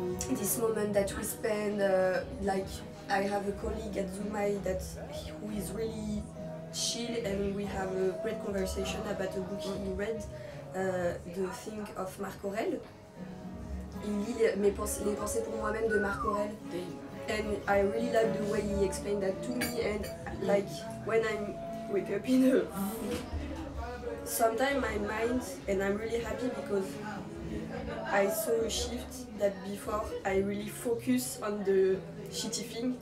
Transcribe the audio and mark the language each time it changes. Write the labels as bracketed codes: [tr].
[en] this moment that we spend, like I have a colleague at Zoomai that who is really chill, and we have a great conversation about a book he read, The Thing of Marc Aurèle. [fr] Il lit Les Pensées pour moi-même de Marc Aurèle. [en] And I really like the way he explained that to me. And like when I'm wake up in a. Sometimes my mind, and I'm really happy because I saw a shift that before I really focus on the shitty thing.